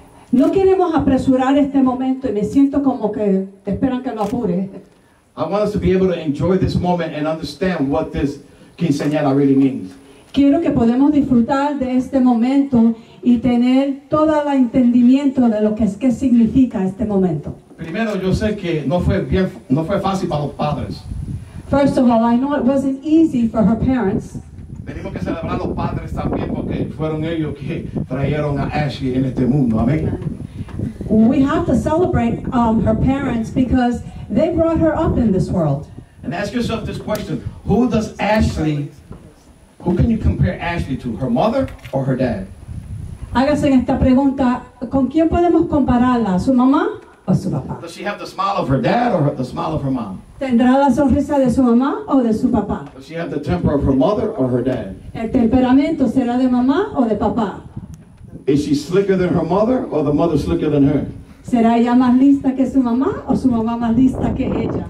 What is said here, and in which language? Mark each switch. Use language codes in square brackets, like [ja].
[es] No queremos apresurar este momento y me siento como que esperan que lo apure. [en] I want us to be able to enjoy this moment and understand what this quinceañera really means. [es] Quiero que podamos disfrutar de este momento y tener todo el entendimiento de lo que es, qué significa este momento. Primero, yo sé que no fue fácil para los padres. [en] First of all, I know it wasn't easy for her parents. [es] Tenemos que celebrar los padres también porque fueron ellos que trajeron a Ashley en este mundo. Amén. [en] We have to celebrate her parents because they brought her up in this world. And ask yourself this question: who does Ashley? Who can you compare Ashley to? Her mother or her dad? [es] Hágase esta pregunta: ¿con quién podemos compararla? ¿Su mamá o su papá? [en] Does she have the smile of her dad or the smile of her mom? [es] ¿Tendrá la sonrisa de su mamá o de su papá? [en] Does she have the temper of her mother or her dad? [es] ¿El temperamento será de mamá o de papá? [en] Is she slicker than her mother or the mother slicker than her? [es] ¿Será ella más lista que su mamá o su mamá más lista que ella?